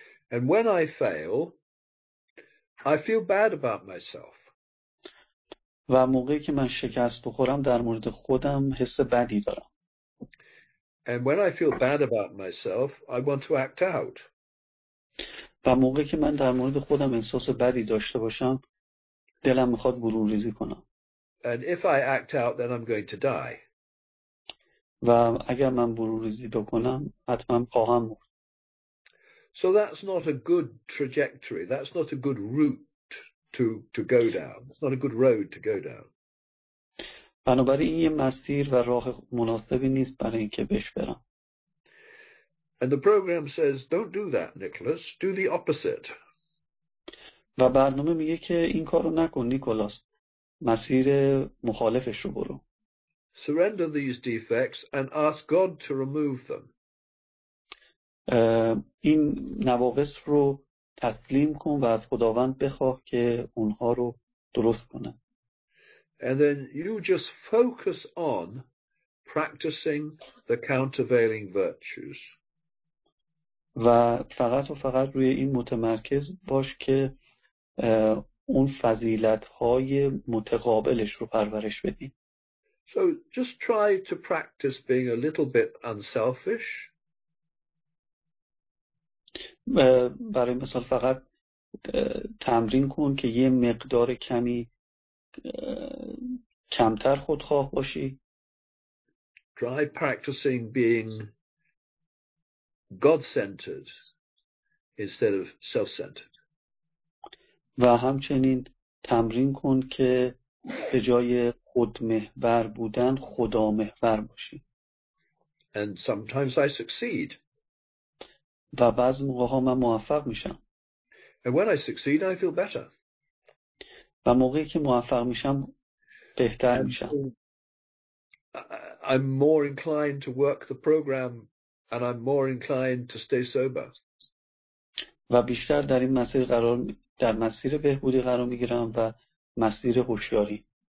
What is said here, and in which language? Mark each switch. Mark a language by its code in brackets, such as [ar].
[en] And when I fail, I feel bad about myself. [fa] و موقعی که من شکست بخورم در مورد خودم حس بدی دارم. [en] And when I feel bad about myself, I want to act out. [fa] و موقعی که من در مورد خودم احساس بدی داشته باشم، دلم میخواد برون ریزی کنم. [en] And if I act out, then I'm going to die. [fa] و اگر من برون ریزی بکنم، حتما خواهم مرد. [en] So that's not a good trajectory. That's not a good route to go down. It's not a good road to go down. [fa] بنابراین این یه مسیر و راه مناسبی نیست برای اینکه بهش برم. [en] And the program says, don't do that, Nicholas. Do the opposite. [fa] و برنامه میگه که این کارو نکن نیکولاس، مسیر مخالفش رو برو. [en] Surrender these defects and ask God to remove them. [fa] این نواقص رو تسلیم کن و از خداوند بخواه که اونها رو درست کنه. [en] And then you just focus on practicing the countervailing virtues. [fa] و فقط و فقط روی این متمرکز باش که اون فضیلت های متقابلش رو پرورش بدی. [en] So just try to practice being a little bit unselfish. [fa] برای مثال فقط تمرین کن که یه مقدار کمی کمتر خودخواه باشی. [en] Try practicing being God-centered instead of self-centered. [fa] و همچنین تمرین کن که به جای خودمحور بودن خدا محور باشی. [en] And sometimes I succeed. [fa] و بعض موقع ها من موفق میشم. [en] And when I succeed, I feel better. [fa] و موقعی که موفق میشم بهتر میشم. [en] I'm more inclined to work the program and I'm more inclined to stay sober. [fa] و بیشتر در این مسیر قرار در مسیر بهبودی قرار میگیرم و مسیر هوشیاری.